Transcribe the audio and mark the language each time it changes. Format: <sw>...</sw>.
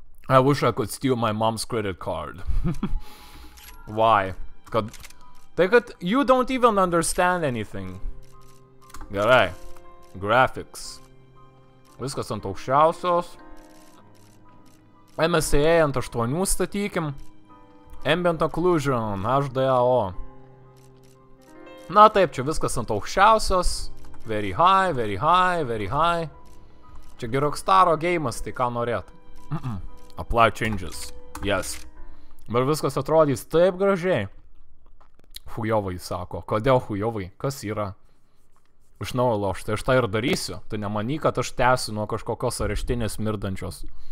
<en>I wish I could steal my mom's credit card. Why?</en> <lt>Kad... Tai kad</lt> <en>you don't even understand anything.</en> <lt>Gerai. Graphics. Viskas ant aukščiausios. MSAA ant 8 statykim. Ambient Occlusion, HDAO. Na taip, čia viskas ant aukščiausios.</lt> <en>Very high, very high, very high.</en> <lt>Čia Rockstaro game'as, tai ką norėt.</lt> <en>Apply changes, yes.</en> <lt>Bet viskas atrodys taip gražiai. Chujovai, sako. Kodėl chujovai? Kas yra? Iš naujo lošt, tai aš tai ir darysiu. Tai nemany, kad aš tęsiu nuo kažkokios areštinės mirdančios.</lt>